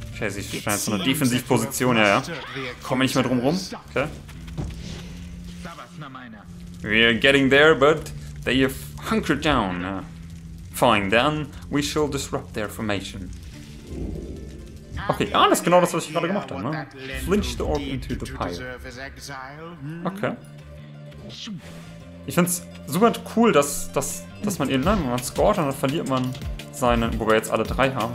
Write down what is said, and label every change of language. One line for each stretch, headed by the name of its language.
German: Okay, sie scheint so eine Defensivposition, ja, ja. Komm nicht mehr drum rum. Okay.
English: We're getting there, but they have hunkered down. Fine, then we shall disrupt their formation.
German: Okay, ah, das ist genau das, was ich gerade gemacht habe, ne?
English: Flinch the orc into the pile.
German: Okay. Ich find's super cool, dass man eben, wenn man scored, dann verliert man seine, wo wir jetzt alle drei haben.